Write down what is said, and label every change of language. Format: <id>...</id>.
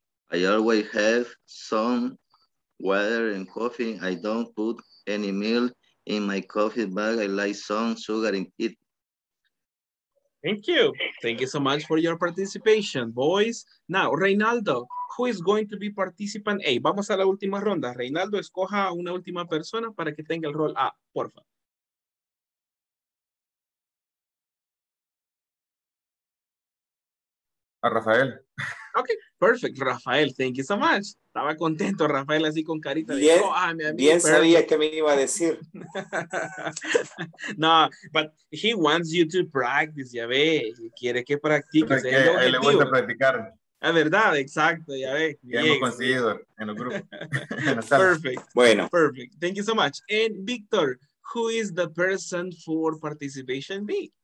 <en>I always have some water and coffee. I don't put any milk in my coffee, but I like some sugar in it. Thank you. Thank you so much for your participation, boys. Now, Reinaldo, who is going to be participant A?</en> <es>Vamos a la última ronda. Reinaldo, escoja una última persona para que tenga el rol A, por favor. A Rafael.</es> <en>Okay, perfect. Rafael, thank you so much.</en> <es>Estaba contento, Rafael, así con carita. Bien, dijo, ah, mi amigo, bien sabía que me iba a decir.</es> <en>No, but he wants you to practice,</en> <es>ya ve. Quiere que practiques. Es que le gusta practicar. La verdad, exacto, ya ve. Ya hemos conseguido en el grupo.</es> <en>Perfect.</en> <es>Bueno.</es> <en>Perfect. Thank you so much. And Victor, who is the person for participation B?</en>